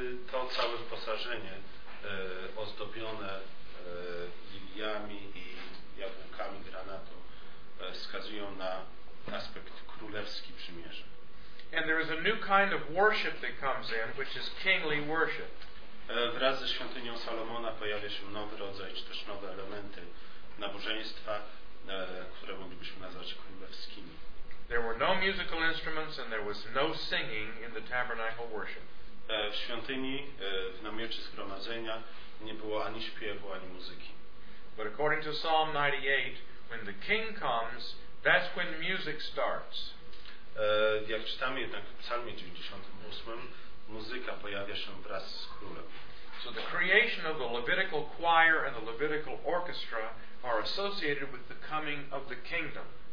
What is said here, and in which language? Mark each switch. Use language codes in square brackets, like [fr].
[pl] To całe wyposażenie ozdobione liliami i jabłkami granatu wskazują na aspekt królewski przymierza. [en] And there is a new kind of worship that comes in, which is kingly worship. [pl] Wraz ze świątynią Salomona pojawia się nowy rodzaj, czy też nowe elementy nabożeństwa, które moglibyśmy nazwać królewskimi. [en] There were no musical instruments and there was no singing in the tabernacle worship. [pl] W świątyni, w namiocie zgromadzenia nie było ani śpiewu, ani muzyki. [en] But according to Psalm 98, when the king comes, that's when music starts. [pl] Jak czytamy jednak w Psalmie 98, muzyka pojawia się wraz z królem. [en] So the creation of the Levitical choir and the Levitical orchestra are associated with the coming of the kingdom.